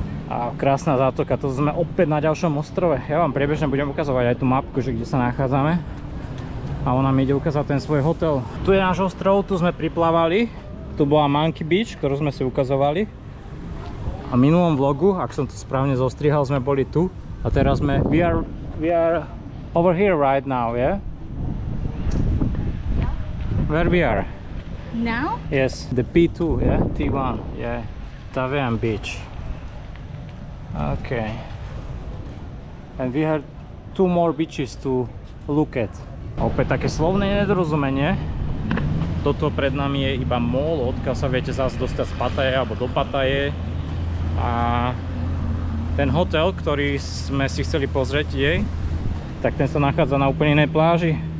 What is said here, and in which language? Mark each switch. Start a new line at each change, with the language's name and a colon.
Slovak: A krásna zátoka, to sme opäť na ďalšom ostrove. Ja vám priebežne budem ukazovať aj tú mapku, že kde sa nachádzame. A ona mi ide ukázať ten svoj hotel. Tu je náš ostrov, tu sme priplávali. Tu bola Monkey Beach, ktorú sme si ukazovali. A v minulom vlogu, ak som to správne zostrihal, sme boli tu. A teraz sme...
English: We are over here right now, yeah? Yeah. Where we are? Now? Yes, the P2, yeah? T1, yeah. Tavian Beach. Okay. And we have two more beaches to look at.
Slovak: Opäť také slovné nedorozumenie. Toto pred nami je iba mall, odkiaľ sa viete zase dostať z Pattaya alebo do Pattaye. A ten hotel, ktorý sme si chceli pozrieť jej, tak ten sa nachádza na úplne inej pláži.